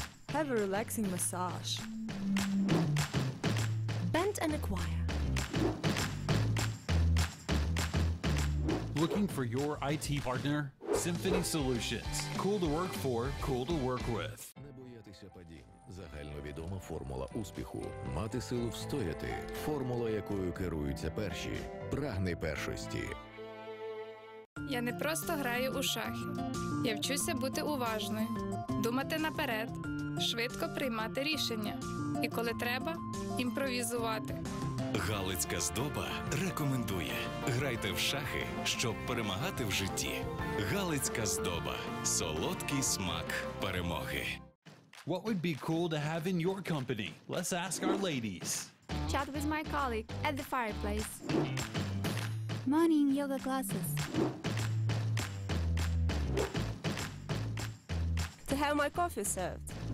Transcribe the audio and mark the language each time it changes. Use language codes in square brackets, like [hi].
[en] Have a relaxing massage. Band and a choir. Looking for your IT partner? Symphony Solutions. Cool to work for, cool to work with. [uk] Загальновідома формула успіху – мати силу встояти, формула якою керуються перші – прагни першості. Я не просто граю у шахи. Я вчуся бути уважною, думати наперед, швидко приймати рішення. І коли треба – імпровізувати. Галицька Здоба рекомендує. Грайте в шахи, щоб перемагати в житті. Галицька Здоба – солодкий смак перемоги. [en] What would be cool to have in your company? Let's ask our ladies. Chat with my colleague at the fireplace. Morning yoga classes. To have my coffee served.